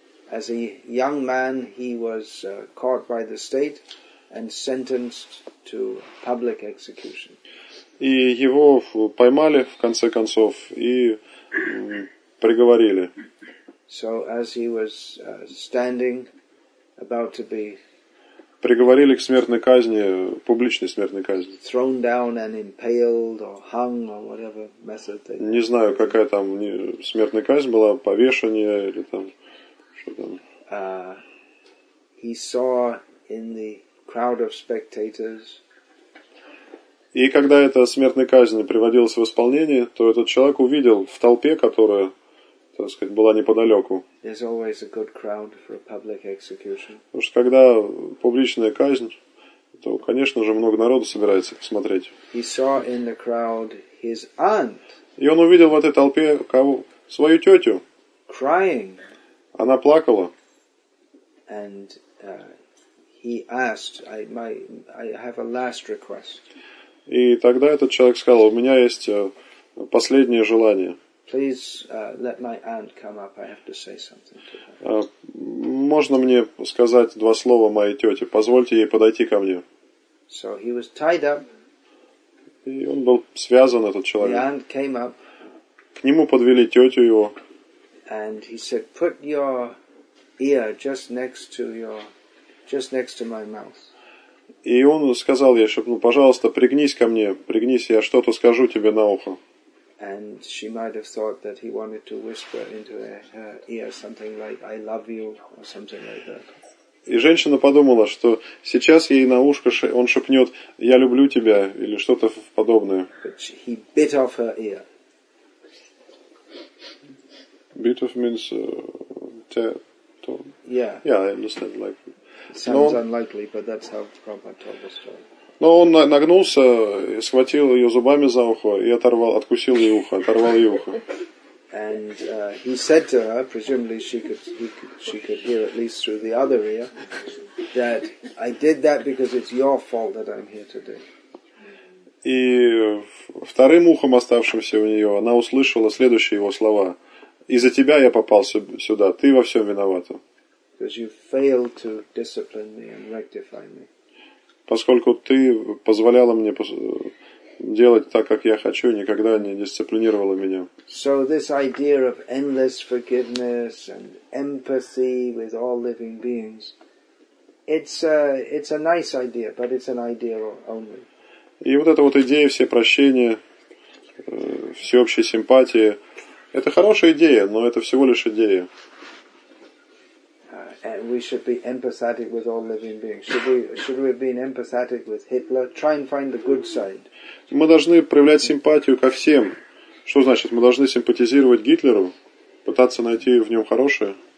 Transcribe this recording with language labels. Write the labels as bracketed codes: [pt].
[en] As a young man, he was caught by the state and sentenced to public execution. [ru] И его поймали в конце концов и приговорили. [en] So as he was standing, about to be [ru] приговорили к смертной казни, публичной смертной казни. [en] Thrown down and impaled or hung or whatever method. [ru] Не знаю, какая там смертная казнь была, повешение или там. [en] He saw in the crowd of spectators. [ru] И когда эта смертная казнь приводилась в исполнение, то этот человек увидел в толпе, которая, так сказать, была неподалеку. [en] There's always a good crowd for a public execution. [ru] Потому что когда публичная казнь, то, конечно же, много народу собирается посмотреть. [en] He saw in the crowd his aunt. [ru] И он увидел в этой толпе кого? Свою тетю. [en] Crying. [ru] Она плакала. [en] And he asked, I have a last request. [ru] И тогда этот человек сказал: у меня есть последнее желание. [en] Please let my aunt come up. I have to say something to her. [ru] Можно мне сказать два слова моей тете? Позвольте ей подойти ко мне. [en] So he was tied up. [ru] И он был связан, этот человек. [en] The aunt came up. [ru] К нему подвели тетю его. [en] And he said, "Put your ear just next to my mouth." [ru] И он сказал ей, чтобы, ну, пожалуйста, пригнись ко мне, пригнись, я что-то скажу тебе на ухо. [en] And she might have thought that he wanted to whisper into her ear something like, "I love you" or something like that. [ru] И женщина подумала, что сейчас ей на ушко он шепнет, "Я люблю тебя" или что-то подобное. [en] But he bit off her ear. Bit of means to. Yeah. Yeah, I understand. Like. Sounds unlikely, but that's how Prabhupada told the story. [ru] Но он нагнулся и схватил ее зубами за ухо и оторвал ей ухо. [en] And he said to her, presumably she could hear at least through the other ear, that I did that because it's your fault that I'm here today. [ru] И вторым ухом, оставшимся у нее, она услышала следующие его слова. Из-за тебя я попал сюда. Ты во всем виновата. [en] Because you failed to discipline me and rectify me. [ru] Поскольку ты позволяла мне делать так, как я хочу, никогда не дисциплинировала меня. [en] So this idea of endless forgiveness and empathy with all living beings, it's a nice idea, but it's an idea only. [ru] И вот эта вот идея всепрощения, всеобщей симпатии. Это хорошая идея, но это всего лишь идея. [en] We should be empathetic with all living beings. Should we have been empathetic with Hitler? Try and find the good side. [ru] Мы должны проявлять симпатию ко всем. Что значит? Мы должны симпатизировать Гитлеру? Пытаться найти в нем хорошее?